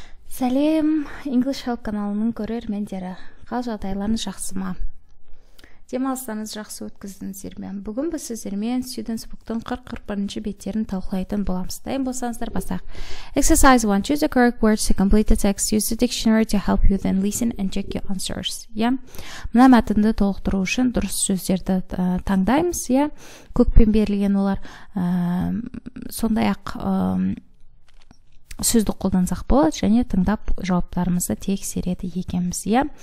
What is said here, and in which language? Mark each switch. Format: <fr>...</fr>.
<kk>Сәлем, English Help каналының көрермендері. Қал жағдайларыңыз жақсы ма? Демалыстарыңыз жақсы өткіздіңіздер ме? Бүгін біз сіздермен Students Book-тың 41-ші беттерін талқылайтын боламыз. Дайын болсаңыздар басақ.</kk> <en>Exercise 1. Choose the correct words to complete the text. Use the dictionary to help you then listen and check your answers.</en> <kk>Мына мәтінді толықтыру үшін дұрыс сөздерді таңдаймыз. Көппен берілген олар сондай-ақ сөзді қолдансақ болады және тыңдап жауаптарымызды тексереді екенбіз.</kk>